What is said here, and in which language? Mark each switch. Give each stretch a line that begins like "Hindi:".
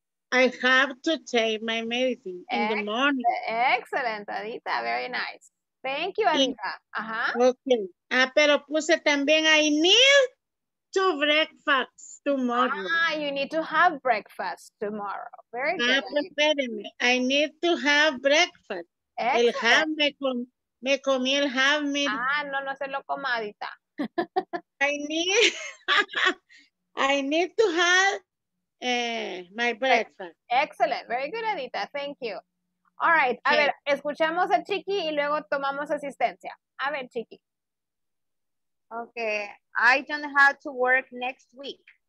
English: I have to take my medicine in the morning. Excellent, Adita. Very nice. Thank you, Adita. Ajá. Okay.
Spanish: Ah, pero puse también,
English: I need to breakfast tomorrow. Ah, you need to have breakfast tomorrow. Very good.
Spanish: Espérenme.
English: I need to have breakfast. Excellent.
Spanish: El have me comí el have me. Ah, no se lo coma, Adita.
English: I need I need to have my breakfast. Excellent. Very good, Edita. Thank you. All right.
Spanish: Okay. A ver, escuchamos a Chiqui y luego tomamos asistencia. A ver, Chiqui.
English: Okay. I don't have to work next week.